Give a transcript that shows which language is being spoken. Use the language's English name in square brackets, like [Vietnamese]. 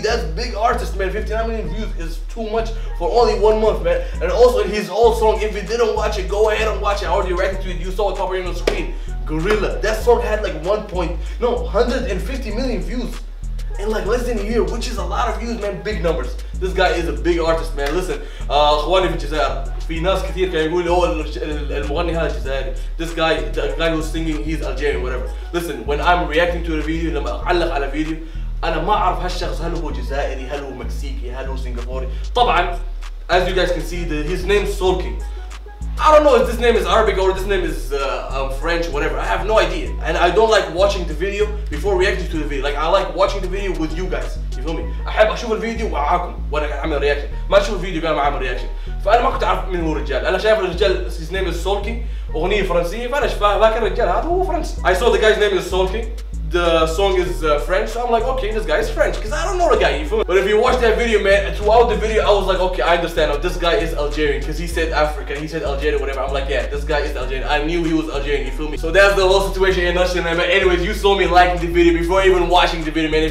[English] That's big artist, man. 59 million views is too much for only 1 month, man. And also his old song, if you didn't watch it, go ahead and watch it. I already reacted to it. You saw it top right on the screen. Gorilla. That song had like 150 million views in like less than a year, which is a lot of views, man. Big numbers. This guy is a big artist, man. [Arabic] Listen, اخواني في الجزائر، في ناس كثير كانوا يقولوا هو المغني هذا جزائري. [English] This guy, the guy who's singing, he's Algerian, whatever. Listen, when I'm reacting to the video, [Arabic] لما اعلق على فيديو، انا ما اعرف هالشخص هل هو جزائري، هل هو مكسيكي، هل هو سنغافوري. [English] طبعا, as you guys can see, his name is Soul King. I don't know if this name is Arabic or this name is French, whatever. I have no idea. And I don't like watching the video before reacting to the video. Like, I like watching the video with you guys. You feel me? [Arabic] أحب أشوف الفيديو معاكم وأنا قاعد أعمل رياكشن. ما أشوف الفيديو قاعد أعمل رياكشن. فأنا ما كنت أعرف من هو الرجال. أنا شايف الرجال [English] his name is Soul King. [Arabic] أغنية فرنسية. فأنا فاكر الرجال هذا هو فرنسي. [English] I saw the guy's name is Soul King. The song is French, so I'm like, okay, this guy is French, because I don't know the guy, you feel me? But if you watch that video, man, throughout the video, I was like, okay, I understand, this guy is Algerian, because he said Africa, he said Algerian, whatever, I'm like, yeah, this guy is Algerian, I knew he was Algerian, you feel me? So that's the whole situation in Russia, man, but anyways, you saw me liking the video before even watching the video, man.